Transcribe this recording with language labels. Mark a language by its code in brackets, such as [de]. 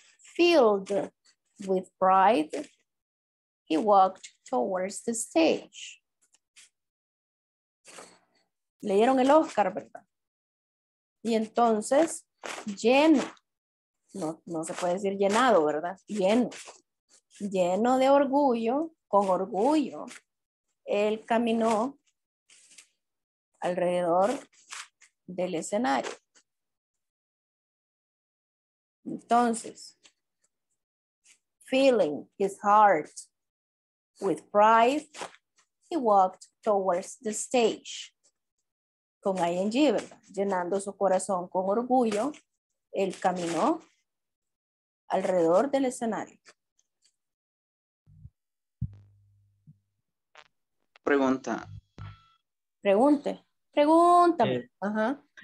[en] Filled with pride, he walked towards the stage. [es] Le dieron el Oscar, ¿verdad? Y entonces, lleno, no se puede decir llenado, ¿verdad? Lleno de orgullo, con orgullo, él caminó alrededor del escenario. [en] Entonces, feeling his heart with pride, he walked towards the stage. [es] Con ING, ¿verdad? Llenando su corazón con orgullo, él caminó alrededor del escenario. Pregunta. Pregunte. Pregúntame. Ajá.